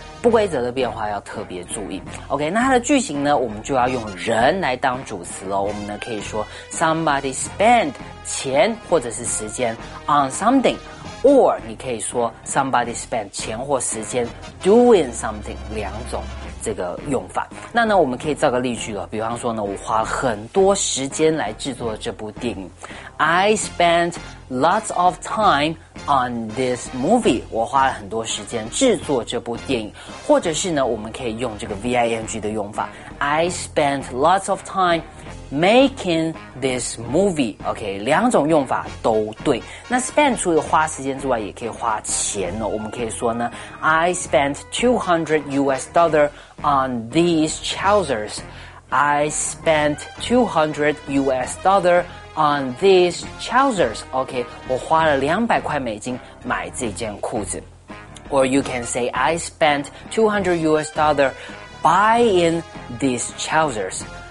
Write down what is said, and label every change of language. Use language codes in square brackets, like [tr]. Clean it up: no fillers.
[zh] 不规则的变化要特别注意 OK 那它的句型呢我们就要用人来当主词了我们呢可以说 [en] somebody spend [zh] 钱或者是时间 [en] on something or [zh] 你可以说 somebody spend 钱或时间 [en] doing something [zh] 两种这个用法。那呢，我们可以造个例句了，比方说呢，我花了很多时间来制作这部电影。 [en] I spent lots of time on this movie. [zh] 我花了很多时间制作这部电影。或者是呢，我们可以用这个 VING 的用法。 [en] I spent lots of time making this movie. [zh] OK, 两种用法都对。那 spend 除了花时间之外，也可以花钱哦。我们可以说呢， [en] I spent $200 on these trousers. I spent $200 on these trousers. [zh] OK, 我花了200块美金买这件裤子。 [en] Or you can say, I spent $200 buying these trousers.